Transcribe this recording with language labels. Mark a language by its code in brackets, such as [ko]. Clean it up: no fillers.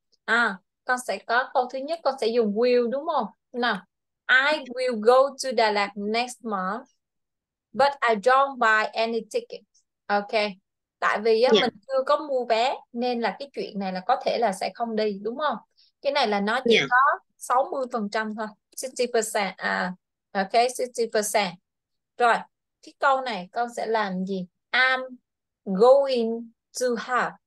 [vi] À, con sẽ có câu thứ nhất, con sẽ dùng will đúng không? Nào, [en] I will go to Đà Lạt next month, but I don't buy any tickets. [vi] Ok, tại vì á, mình chưa có mua vé nên là cái chuyện này là có thể là sẽ không đi, đúng không? Cái này là nó chỉ có 60% thôi, 60%, à, ok, 60%. Rồi, cái câu này con sẽ làm gì? [en] I'm going to have.